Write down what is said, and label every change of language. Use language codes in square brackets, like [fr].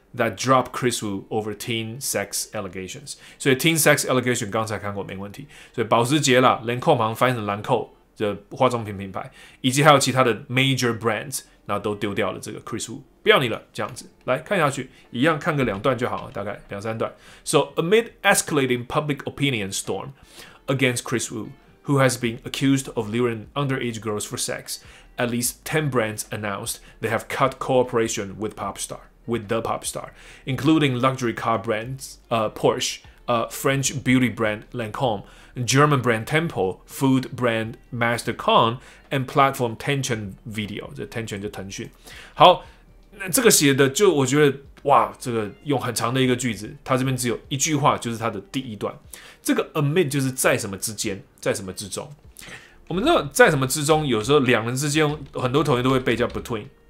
[en] That drop Chris Wu over teen sex allegations. So teen sex allegation [zh] 刚才看过没问题。所以保时捷啦 ，Lancome 翻译成兰蔻的化妆品品牌，以及还有其他的 [en] major brands， [zh] 那都丢掉了这个 Chris Wu， 不要你了。这样子来看下去，一样看个两段就好了，大概两三段。 [en] So amid escalating public opinion storm against Chris Wu, who has been accused of luring underage girls for sex, at least 10 brands announced they have cut cooperation with pop star. With the pop star, including luxury car brands Porsche, French beauty brand Lancome, German brand Temple, food brand MasterCon, and platform Tencent Video. [zh] 这 Tencent 就腾讯。好，这个写的就我觉得哇，这个用很长的一个句子，它这边只有一句话，就是它的第一段。这个 amid 就是在什么之间，在什么之中。我们知道在什么之中，有时候两人之间，很多同学都会背叫 between。